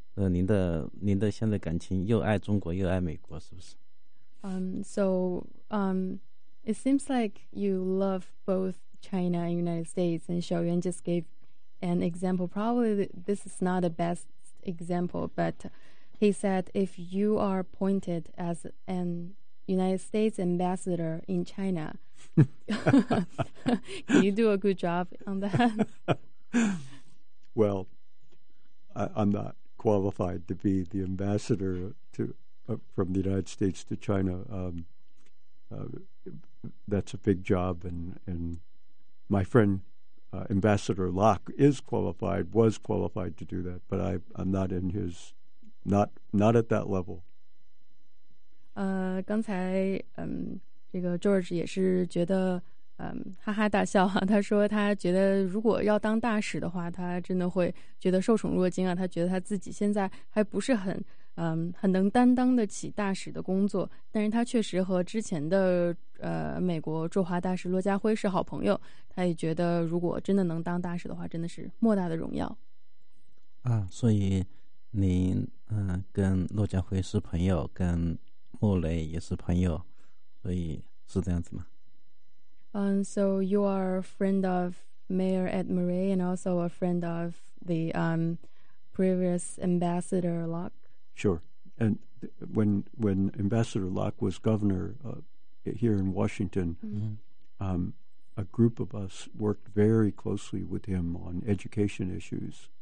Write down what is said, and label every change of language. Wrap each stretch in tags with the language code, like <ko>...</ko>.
<zh>您的现在感情又爱中国又爱美国，是不是？</zh> <en>So it seems like you love both China and United States, and Xiaoyuan just gave an example. Probably this is not the best example, but he said if you are appointed as an United States ambassador in China, can you do a good job on that? Well, I'm not qualified to be the ambassador from the United States to China. That's a big job, and my friend Ambassador Locke was qualified to do that, but I'm not in his, not at that level.</en> <zh>刚才这个 George 也是觉得哈哈大笑啊，他说他觉得如果要当大使的话，他真的会觉得受宠若惊啊，他觉得他自己现在还不是很能担当得起大使的工作，但是他确实和之前的美国驻华大使骆家辉是好朋友，他也觉得如果真的能当大使的话，真的是莫大的荣耀啊。所以您跟骆家辉是朋友，跟莫雷也是朋友，所以是这样子吗？</zh> <en>So you are a friend of Mayor Ed Murray and also a friend of the previous Ambassador Locke? Sure. And when Ambassador Locke was governor here in Washington, a group of us worked very closely with him on education issues.</en>